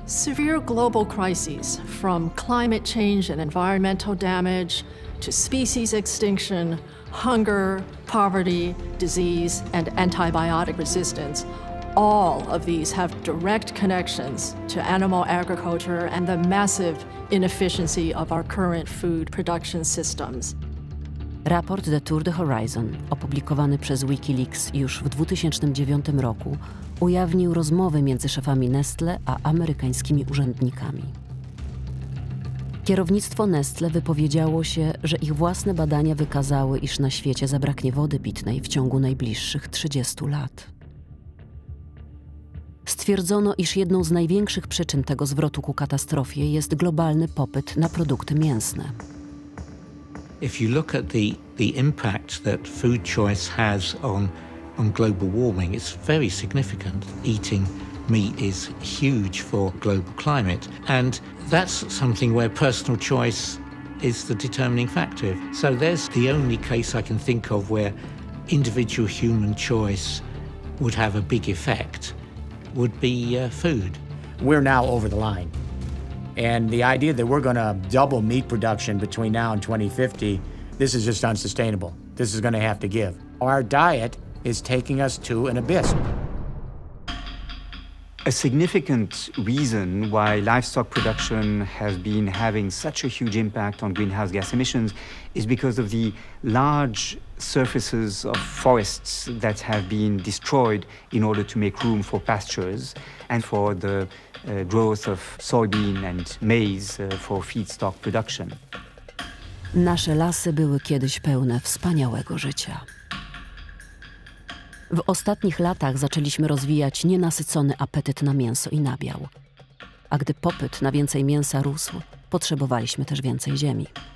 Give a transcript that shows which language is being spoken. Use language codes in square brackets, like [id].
[en] Severe global crises, from climate change and environmental damage to species extinction, hunger, poverty, disease, and antibiotic resistance, all of these have direct connections to animal agriculture and the massive inefficiency of our current food production systems. [pl] Raport The Tour de Horizon, opublikowany przez Wikileaks już w 2009 roku, ujawnił rozmowy między szefami Nestle a amerykańskimi urzędnikami. Kierownictwo Nestle wypowiedziało się, że ich własne badania wykazały, iż na świecie zabraknie wody pitnej w ciągu najbliższych 30 lat. Stwierdzono, iż jedną z największych przyczyn tego zwrotu ku katastrofie jest globalny popyt na produkty mięsne. [en] If you look at the impact that food choice has on global warming, it's very significant. Eating meat is huge for global climate, and that's something where personal choice is the determining factor. So there's the only case I can think of where individual human choice would have a big effect, would be food. We're now over the line. And the idea that we're going to double meat production between now and 2050, this is just unsustainable. This is going to have to give. Our diet is taking us to an abyss. A significant reason why livestock production has been having such a huge impact on greenhouse gas emissions is because of the large surfaces of forests that have been destroyed in order to make room for pastures and for the growth of soybean and maize for feedstock production. [pl] Nasze lasy były kiedyś pełne wspaniałego życia. W ostatnich latach zaczęliśmy rozwijać nienasycony apetyt na mięso i nabiał. A gdy popyt na więcej mięsa rósł, potrzebowaliśmy też więcej ziemi.